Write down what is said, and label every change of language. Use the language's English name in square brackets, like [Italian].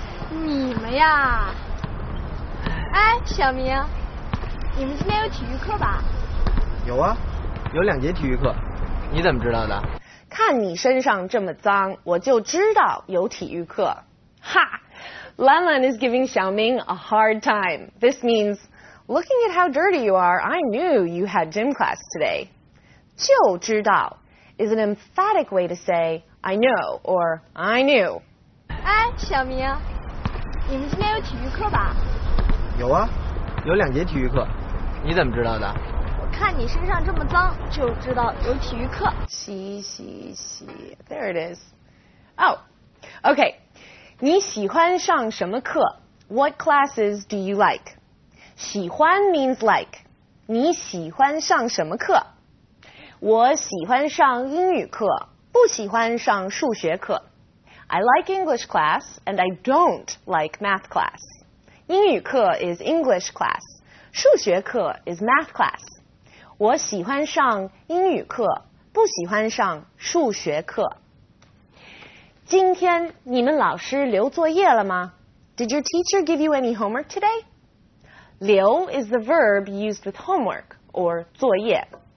[Chinese] 你们呀，哎，小明，你们今天有体育课吧？有啊，有两节体育课。你怎么知道的？看你身上这么脏，我就知道有体育课。 [English] 哈 ，Lan Lan is giving Xiaoming a hard time. This means, looking at how dirty you are, I knew you had gym class today. 就知道 is an emphatic way to say I know or I knew. [Chinese] 哎，小明，你们今天有体育课吧？有啊，有两节体育课。你怎么知道的？我看你身上这么脏，就知道有体育课。洗洗洗 [English] ，There it is. Oh, okay. [Chinese] 你喜欢上什么课 ？ [English] What classes do you like? [Chinese] 喜欢 [English] means like. [Chinese] 你喜欢上什么课？我喜欢上英语课，不喜欢上数学课。 [English] I like English class and I don't like math class. 英语课 is English class, 数学课 is math class. [Chinese] 我喜欢上英语课，不喜欢上数学课。今天你们老师留作业了吗？ [English] Did your teacher give you any homework today? 留 is the verb used with homework or 作业。